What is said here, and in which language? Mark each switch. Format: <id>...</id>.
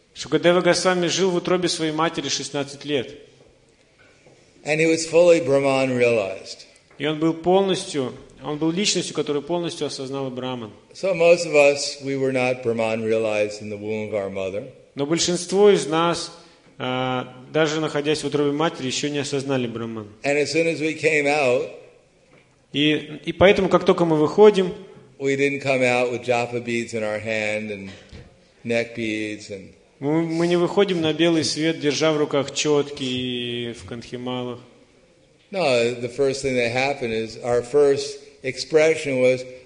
<ru>Шукадева Госвами жил в утробе своей матери 16 лет.</ru> <en>And he was fully Brahman realized.</en> <ru>И он был полностью, он был личностью, которую полностью осознал Брахман.</ru> <en>So most of us, we were not Brahman realized in the womb of our mother.</en> <ru>Но большинство из нас, даже находясь в утробе матери, еще не осознали Брахман.</ru> <en>And as soon as we came out,</en> <ru>И поэтому, как только мы выходим, мы не выходим на белый свет, держа в руках четки и в кандхималах.</ru> <en>No, the first thing that happened is our first expression was</en>